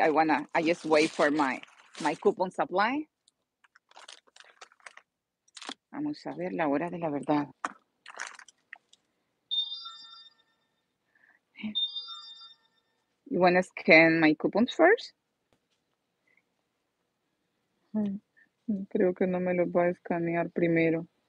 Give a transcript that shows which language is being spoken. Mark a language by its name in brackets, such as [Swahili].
[English] I just wait for my coupon supply. [Spanish] Vamos a ver la hora de la verdad. [English] You want to scan my coupons first? [Spanish] Creo que no me los va a escanear primero.